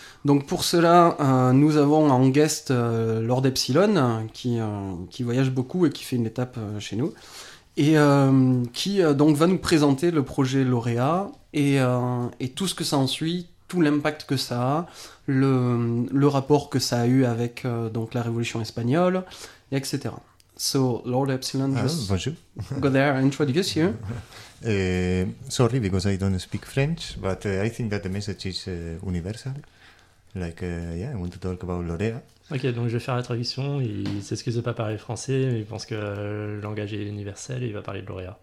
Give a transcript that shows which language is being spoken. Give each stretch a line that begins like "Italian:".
French: Donc, pour cela, nous avons en guest Lord Epsilon, qui voyage beaucoup et qui fait une étape chez nous, et qui donc va nous présenter le projet Lauréat et tout ce que ça ensuit, tout l'impact que ça a, le rapport que ça a eu avec donc la révolution espagnole, et etc.
English: So Lord Epsilon,
French: bonjour.
English: Go there and introduce you. Sorry because I don't speak French, but I think that the message is universal. Like yeah, I want to talk about Lauréat.
French: Ok, donc je vais faire la traduction. Il s'excuse de ne pas parler français, mais il pense que le langage est universel et il va parler de Lauréat.